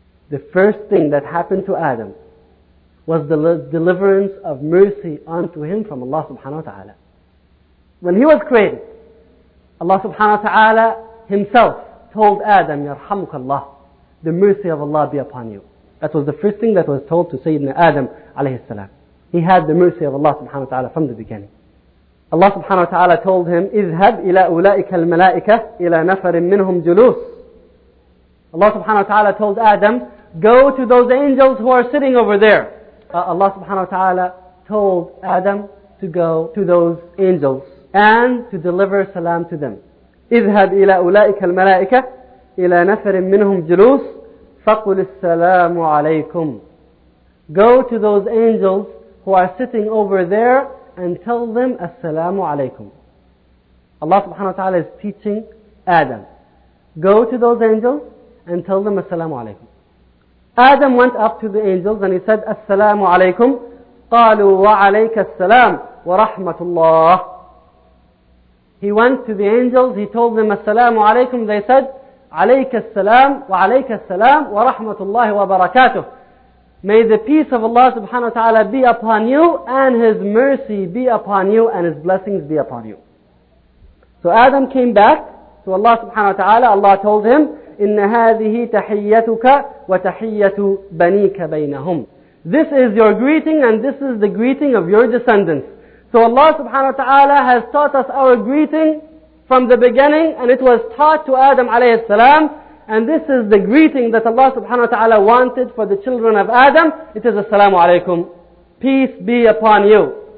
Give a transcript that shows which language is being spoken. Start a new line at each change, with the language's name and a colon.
English: The first thing that happened to Adam was the deliverance of mercy unto him from Allah subhanahu wa ta'ala. When he was created, Allah subhanahu wa ta'ala himself told Adam,
Arabic: يَرْحَمُكَ اللَّهِ.
English: The mercy of Allah be upon you. That was the first thing that was told to Sayyidina Adam alayhi salam. He had the mercy of Allah subhanahu wa ta'ala from the beginning. Allah subhanahu wa ta'ala told him,
Arabic: اذهب إلى أولئك الملائكة إلى نفر منهم جلوس.
English: Allah subhanahu wa ta'ala told Adam, go to those angels who are sitting over there. Allah subhanahu wa ta'ala told Adam to go to those angels and to deliver salam to them.
Arabic: اذهب إلى أولئك الملائكة إلى نفر منهم جلوس فقل السلام عليكم.
English: Go to those angels who are sitting over there and tell them, Assalamu alaikum. Allah subhanahu wa ta'ala is teaching Adam, go to those angels and tell them, Assalamu alaikum. Adam went up to the angels and he said, Assalamu alaikum.
Arabic: قالوا وعليك السلام ورحمة الله.
English: He went to the angels, he told them, Assalamu alaikum. They said,
Arabic: عليك السلام وعليك السلام ورحمة الله وبركاته.
English: May the peace of Allah subhanahu wa ta'ala be upon you and His mercy be upon you and His blessings be upon you. So Adam came back to Allah subhanahu wa ta'ala. Allah told him,
Arabic: إِنَّ هَذِهِ تَحِيَّتُكَ وَتَحِيَّتُ بَنِيكَ بَيْنَهُمْ.
English: This is your greeting and this is the greeting of your descendants. So Allah subhanahu wa ta'ala has taught us our greeting from the beginning and it was taught to Adam alayhi salam. And this is the greeting that Allah subhanahu wa ta'ala wanted for the children of Adam. It is Assalamu alaikum. Peace be upon you.